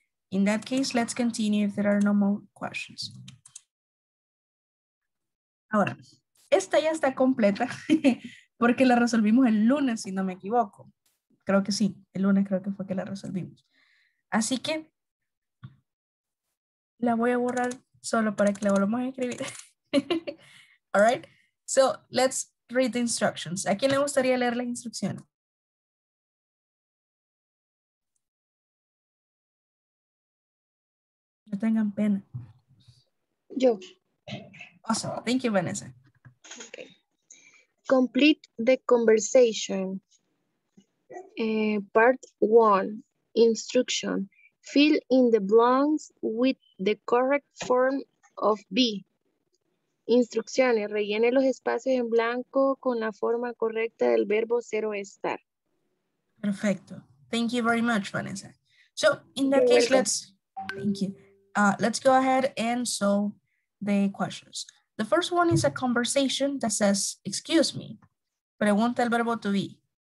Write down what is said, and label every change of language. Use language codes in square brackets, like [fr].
[en] In that case, let's continue if there are no more questions. [es] Ahora, esta ya está completa porque la resolvimos el lunes, si no me equivoco. Creo que sí, el lunes creo que fue que la resolvimos. Así que la voy a borrar solo para que la volvamos a escribir. [en] All right, so let's read the instructions. [es] ¿A quién le gustaría leer las instrucciones? No tengan pena. Yo. [en] Awesome. Thank you, Vanessa. Okay. Complete the conversation. Part one. Instruction. Fill in the blanks with the correct form of be. [es] Instrucciones. Rellene los espacios en blanco con la forma correcta del verbo ser o estar. [en] Perfecto. Thank you very much, Vanessa. So, in that case, let's go ahead and solve the questions. The first one is a conversation that says, excuse me, [es] pregunta el verbo [en] to be.